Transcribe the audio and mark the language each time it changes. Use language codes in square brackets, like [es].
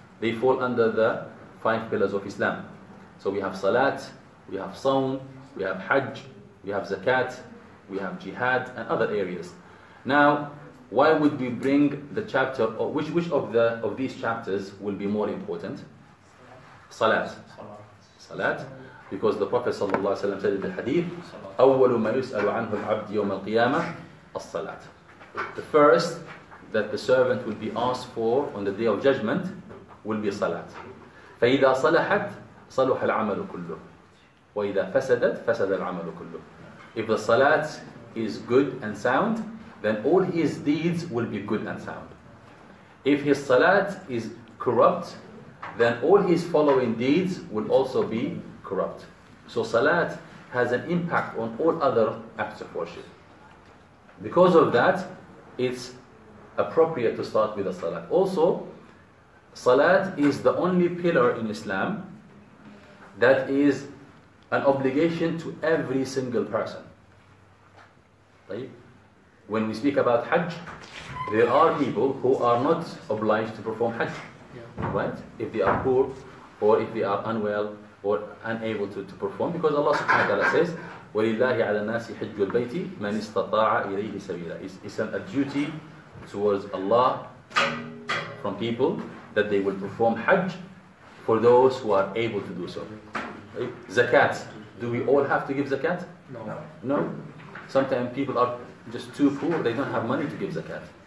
[en] They fall under the five pillars of Islam. So we have salat, we have sawm, we have hajj, we have zakat, we have jihad and other areas. Now, why would we bring the chapter, or which of these chapters will be more important? Salat. Because the Prophet ﷺ said in the hadith, [ar] أَوَّلُ مَا يُسْأَلُ عَنْهُ الْعَبْدِ يَوْمَ الْقِيَامَةِ الصَّلَاةِ. [en] The first that the servant will be asked for on the Day of Judgment will be salat. [ar] فَإِذَا صَلَحَتْ صَلُحَ الْعَمَلُ كُلُّهُ وَإِذَا فَسَدَتْ فَسَدَ الْعَمَلُ كُلُّهُ. [en] If the salat is good and sound, then all his deeds will be good and sound. If his salat is corrupt, then all his following deeds will also be corrupt. So salat has an impact on all other acts of worship. Because of that, it's appropriate to start with the salat. Also, salat is the only pillar in Islam that is an obligation to every single person. When we speak about hajj, there are people who are not obliged to perform hajj. Yeah. Right? If they are poor, or if they are unwell, or unable to perform. Because Allah subhanahu wa ta'ala says, [ar] وَلِلَّهِ عَلَى النَّاسِ حِجُّ الْبَيْتِ مَنِ اسْتَطَاعَ إِلَيْهِ سَبِيلًا. [en] It's a duty towards Allah from people that they will perform hajj for those who are able to do so. Right? Zakat. Do we all have to give zakat? No. No? Sometimes people are just too poor, they don't have money to give zakat.